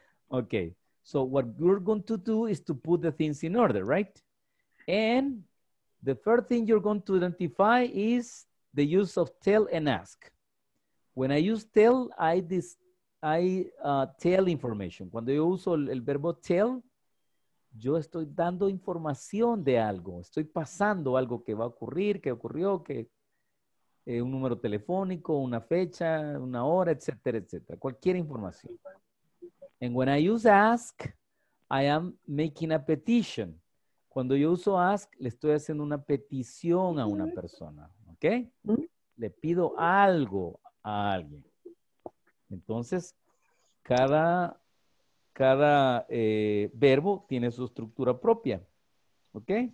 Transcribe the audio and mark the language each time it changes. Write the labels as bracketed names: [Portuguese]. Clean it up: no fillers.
[English] Okay, so what you're going to do is to put the things in order, right? And the first thing you're going to identify is the use of tell and ask. When I use tell, I tell information. [Spanish] Cuando yo uso el verbo tell, yo estoy dando información de algo. Estoy pasando algo que va a ocurrir, que ocurrió, que un número telefónico, una fecha, una hora, etcétera, etcétera. Cualquier información. [English] And when I use ask, I am making a petition. [Spanish] Cuando yo uso ask, le estoy haciendo una petición a una persona. ¿Ok? Le pido algo a alguien. Entonces, cada verbo tiene su estructura propia. ¿Ok?